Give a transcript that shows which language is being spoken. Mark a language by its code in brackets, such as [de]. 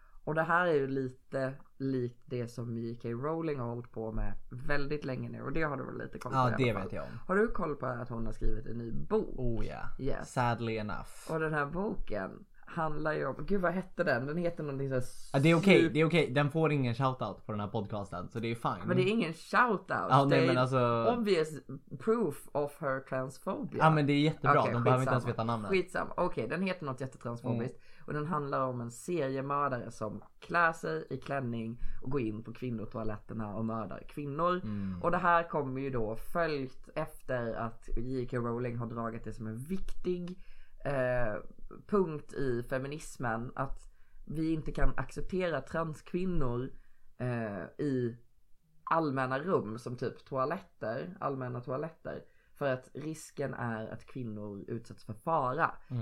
[sv] Och det här är ju lite likt det som J.K. Rowling har hållit på med väldigt länge nu. Och det har du väl lite koll på? Ja, det vet jag om. Har du koll på att hon har skrivit en ny bok? [en] Oh [sv] ja, [en] yeah. Yes. Sadly enough. [sv] Och den här boken handlar ju om, gud vad hette den? Den heter någonting såhär Det är okej, det är okej. Den får ingen shoutout på den här podcasten, så det är fine. Men det är ingen shoutout. Ja, nej, men alltså... [en] obvious proof of her transphobia. [sv] Ja, men det är jättebra. Okay, de skitsamma. Behöver inte ens veta namnet. Skitsamma. Okej, den heter något jättetransfobiskt. Och den handlar om en seriemördare som klär sig i klänning och går in på kvinnotoaletterna och mördar kvinnor. Och det här kommer ju då följt efter att J.K. Rowling har dragit det som en viktig punkt i feminismen, att vi inte kan acceptera transkvinnor i allmänna rum som typ toaletter, allmänna toaletter, för att risken är att kvinnor utsätts för fara.